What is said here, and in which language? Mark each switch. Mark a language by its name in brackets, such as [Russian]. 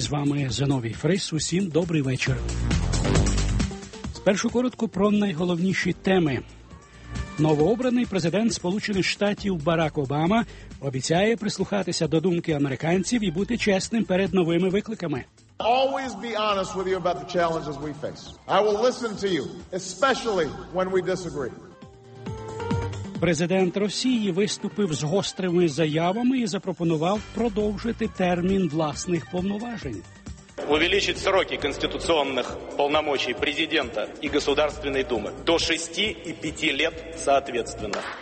[Ukrainian] З вами Зиновій Фрис. Усім добрий вечір. Спершу коротко про найголовніші теми. Новообраний президент Сполучених Штатів Барак Обама обіцяє прислухатися до думки американців і бути чесним перед новими викликами. [English] Always be honest with you about the challenges we face. I will listen to you, especially when we disagree. [Ukrainian] Президент Росії виступив з гострими заявами і запропонував продовжити термін власних повноважень. [Russian] Увеличить сроки [Ukrainian] конституційних повноважень [Russian] президента і Государственной Думи до 6 і 5 лет, соответственно.